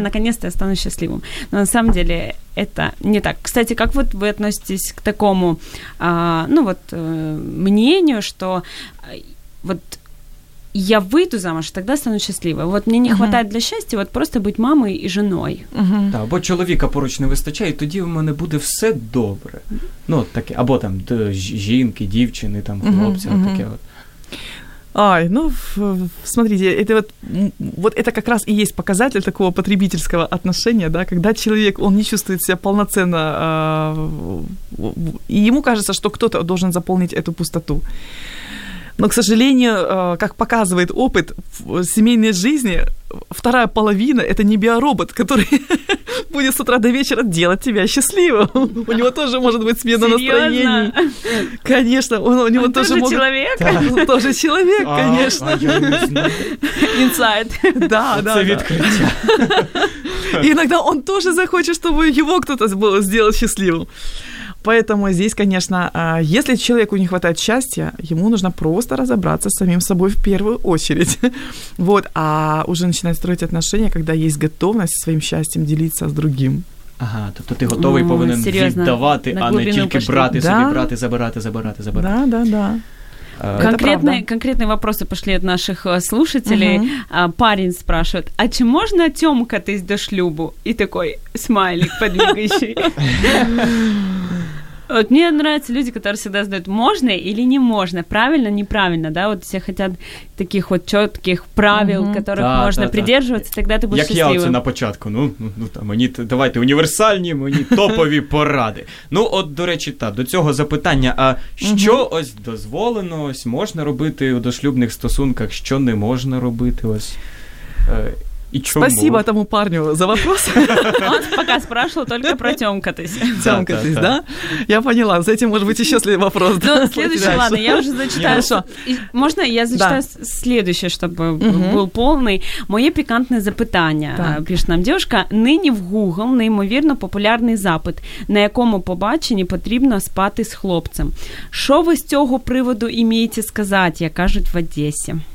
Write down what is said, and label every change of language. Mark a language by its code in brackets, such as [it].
[ru] Наконец-то я стану счастливым. Но на самом деле это не так. Кстати, как вот вы относитесь к такому, мнению, что вот я выйду замуж, тогда стану счастливой. Вот мне не хватает для счастья вот просто быть мамой и женой. [uk] Да, або чоловіка поруч не вистачає, тоді в мене буде все добре. Ну, таке, або там жінки, дівчини, там хлопці, таке от. [ru] Ай, ну, смотрите, это вот это как раз и есть показатель такого потребительского отношения, да, когда человек, он не чувствует себя полноценно, и ему кажется, что кто-то должен заполнить эту пустоту. Но, к сожалению, как показывает опыт в семейной жизни, вторая половина – это не биоробот, который будет с утра до вечера делать тебя счастливым. У него тоже может быть смена настроений. Конечно, у него тоже может... Он тоже человек? Он тоже человек, конечно. Инсайд. Да, да. Это открытие. И иногда он тоже захочет, чтобы его кто-то сделал счастливым. Поэтому здесь, конечно, если человеку не хватает счастья, ему нужно просто разобраться с самим собой в первую очередь. Вот, а уже начинать строить отношения, когда есть готовность своим счастьем делиться с другим. [uk] Ага, тобто ти готовий повинен віддавати, а не тільки брати собі, брати, забирати, забирати, забирати. [ru] Да, да, да. Конкретные вопросы пошли от наших слушателей. Парень спрашивает, [uk] а чи можно тёмкатись до шлюбу? [ru] И такой смайлик подмигающий. Вот мне нравятся люди, которые всегда задают, можно или не можно, правильно, неправильно, да, вот все хотят таких вот четких правил, которых да, можно да, придерживаться, да. Тогда ты будешь счастливым. [uk] Як я оце на початку, ну там, мені, давайте універсальні, мені топові поради. Ну, от, до речі, та, до цього запитання, а що ось дозволено, ось можна робити у дошлюбних стосунках, що не можна робити, ось... [ru] Спасибо тому парню за вопрос. Он пока спрашивал только про тёмкатись. Тёмкатись, да? Я поняла. За этим может быть ещё следующий вопрос. Ну, следующий, ладно, я уже зачитаю. Можно я зачитаю следующее, чтобы был полный? [uk] Моє пікантне запитання, пише нам [ru] девушка. [uk] Нині в Google неймовірно популярний запит, на якому побаченні потрібно спати з хлопцем. Що ви з цього приводу імієте сказати, як кажуть в Одесі?